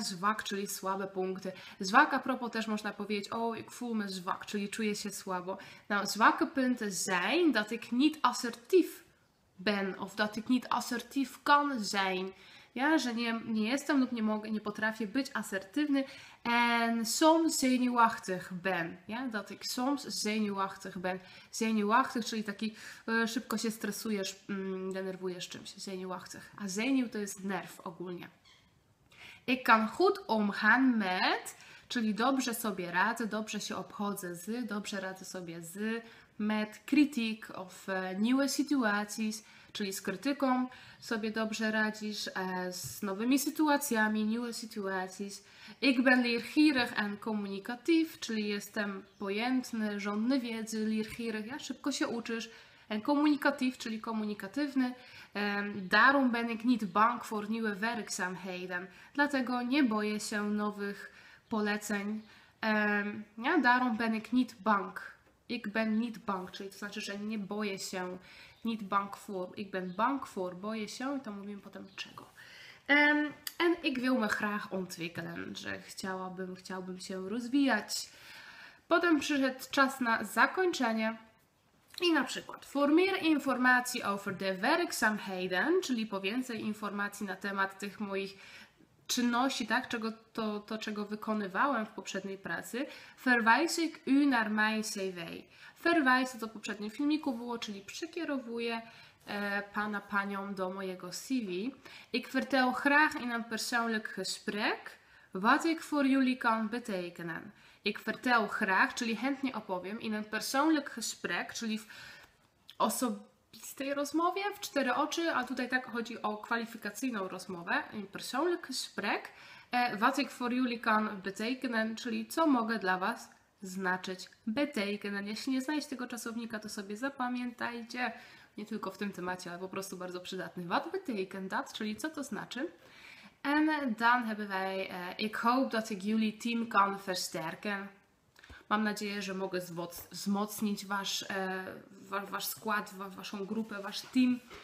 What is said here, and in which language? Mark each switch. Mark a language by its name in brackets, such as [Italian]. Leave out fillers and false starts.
[Polish] Zwak, czyli słabe punkty. Zwak, a propos, też można powiedzieć, o, [Dutch] ik voel me zwak, [Polish] czyli czuję się słabo. [Dutch] Nou, zwak punten zijn, dat ik niet assertief ben, of dat ik niet assertief kan zijn. [Polish] Ja, że nie jestem lub nie mogę, nie potrafię być asertywny. [Dutch] En soms zenuwachtig ben, ja? Dat ik soms zenuwachtig ben. [Polish] Zenuwachtig, czyli taki szybko się stresujesz, denerwujesz czymś. Zenuwachtig. A zenuw to jest nerw ogólnie. [Dutch] Ik kan goed omgaan met, [Polish] czyli dobrze sobie radzę, dobrze się obchodzę z, dobrze radzę sobie z, met krytyk of nieuwe sytuacji, czyli z krytyką sobie dobrze radzisz, z nowymi sytuacjami, nieuwe sytuacji. [Dutch] Ik ben leergierig en communicatief, [Polish] czyli jestem pojętny, żądny wiedzy, leergierig, ja, szybko się uczysz. En communicatief, czyli komunikatywny. [Dutch] Daarom ben ik niet bang voor nieuwe werkzaamheden. [Polish] Dlatego nie boję się nowych poleceń. [Dutch] Ja, daarom ben ik niet bang. Ik ben niet bang, [Polish] czyli to znaczy, że nie boję się. [Dutch] Niet bang voor. Ik ben bang voor. [Polish] Boję się. I to mówimy potem czego. [Dutch] En ik wil me graag ontwikkelen. [Polish] Że chciałbym się rozwijać. Potem przyszedł czas na zakończenie. I na przykład. [Dutch] Voor meer informatie over de werkzaamheden. [Polish] Czyli po więcej informacji na temat tych moich czynności, tak? Czego wykonywałem w poprzedniej pracy. [Dutch] Verwijs ik u naar mijn CV. [Polish] Verwijs, co w poprzednim filmiku było, czyli przekierowuję pana, panią do mojego CV. [Dutch] Ik vertel graag in een persoonlijk gesprek wat ik voor jullie kan betekenen. Ik vertel graag, [Polish] czyli chętnie opowiem, [Dutch] in een persoonlijk gesprek, [Polish] czyli w osobistej rozmowie, w cztery oczy, a tutaj tak chodzi o kwalifikacyjną rozmowę, [Dutch] in persoonlijk gesprek, wat ik voor jullie kan betekenen, [Polish] czyli co mogę dla was znaczyć, betekenen. Jeśli nie znajdziesz tego czasownika, to sobie zapamiętajcie. Nie tylko w tym temacie, ale po prostu bardzo przydatny. [Dutch] Wat betekent dat, [Polish] czyli co to znaczy. [Dutch] En dan hebben wij, ik hoop dat ik jullie team kan versterken. [Polish] Mam nadzieję, że mogę wzmocnić wasz skład, waszą grupę, wasz team.